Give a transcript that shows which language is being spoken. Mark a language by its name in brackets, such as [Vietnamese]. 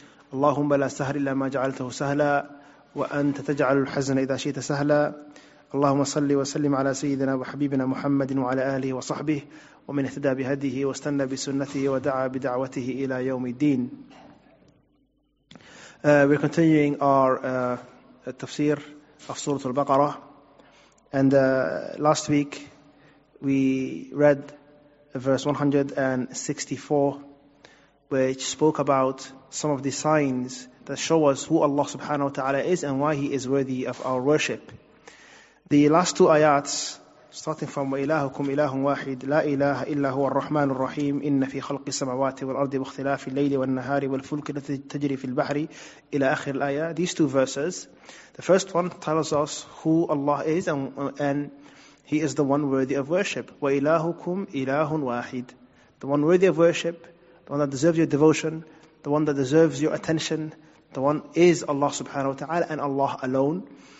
[Arabic] اللهم لا سهل إلا ما جعلته سهلا وأنت تجعل الحزن إذا شئت سهلا اللهم صل وسلم على سيدنا وحبيبنا محمد وعلى آله وصحبه ومن اهتدى بهديه واستنى بسنته ودعا بدعوته إلى يوم الدين. [English] We're continuing our tafsir of Surah Al-Baqarah, and last week we read verse 164, which spoke about some of the signs that show us who Allah subhanahu wa ta'ala is and why He is worthy of our worship. The last two ayats, starting from [Arabic] وَإِلَهُكُمْ إِلَهٌ وَاحِدٌ لَا إِلَهَ إِلَّا هُوَ الرَّحْمَنُ الرَّحِيمُ إِنَّ فِي خَلْقِ السَّمَوَاتِ وَالْأَرْضِ وَاخْتِلَافِ اللَّيْلِ وَالنَّهَارِ وَالْفُلْكِ الَّتِي تَجْرِي فِي الْبَحْرِ إِلَى آخِرِ الْآيَةِ. [English] These two verses, the first one tells us who Allah is and He is the one worthy of worship. [Arabic] وَإِلَهُكُمْ إِلَهٌ وَاحِدٌ, [English] the one worthy of worship, the one that deserves your devotion, the one that deserves your attention, the one is Allah subhanahu wa ta'ala and Allah alone.